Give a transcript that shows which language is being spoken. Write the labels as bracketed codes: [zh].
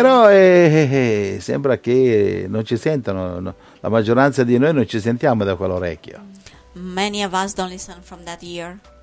[it] Però sembra che non ci sentano. No, la maggioranza di noi non ci sentiamo da quell'orecchio. [en] Many of us don't listen from that ear.